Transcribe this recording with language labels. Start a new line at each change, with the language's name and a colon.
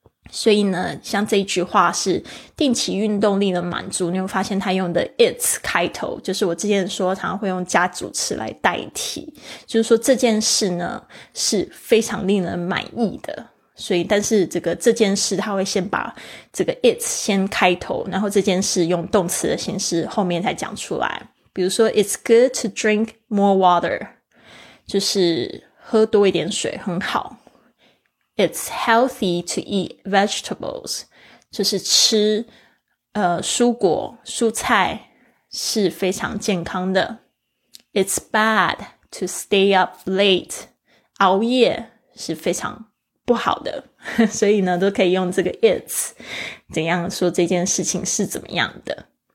Chinese: 所以呢像这一句话是定期运动令人满足，你会发现他用的 it's 开头，就是我之前说常常会用加主词来代替，就是说这件事呢是非常令人满意的。所以但是这个这件事他会先把这个 it's 先开头，然后这件事用动词的形式后面才讲出来。比如说
English: it's good to drink more water,
Chinese: 就是喝多一点水很好。
English: It's healthy to eat vegetables.
Chinese: 就是吃蔬果蔬菜是非常健康的。
English: It's bad to stay up late.
Chinese: 熬夜是非常不好的。所以呢都可以用这个 it's, 怎样说这件事情是怎么样的。